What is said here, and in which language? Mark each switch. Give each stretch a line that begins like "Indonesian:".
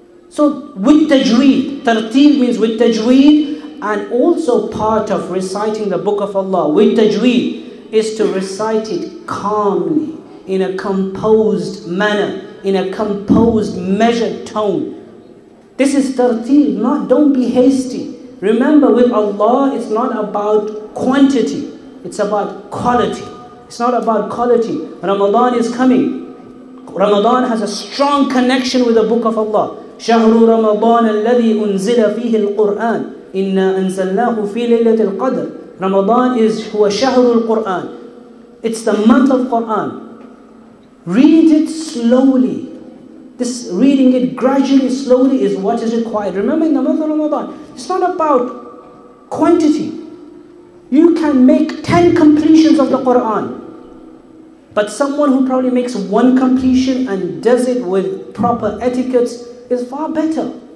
English: So with tajweed, tarteel means with tajweed, and also part of reciting the book of Allah with tajweed is to recite it calmly, in a composed manner, in a composed, measured tone. This is tarteel, not, don't be hasty. Remember, with Allah, it's not about quantity, it's about quality. It's not about quality. Ramadan is coming. Ramadan has a strong connection with the book of Allah.
Arabic: شهر رمضان الذي أنزل فيه القرآن إن أنزلناه في ليلة القدر.
English: Ramadan is
Arabic: هو شهر القرآن.
English: It's the month of Quran. Read it slowly. This reading it gradually, slowly is what is required. Remember, in the month of Ramadan, it's not about quantity. You can make 10 completions of the Quran. But someone who probably makes one completion and does it with proper etiquettes is far better.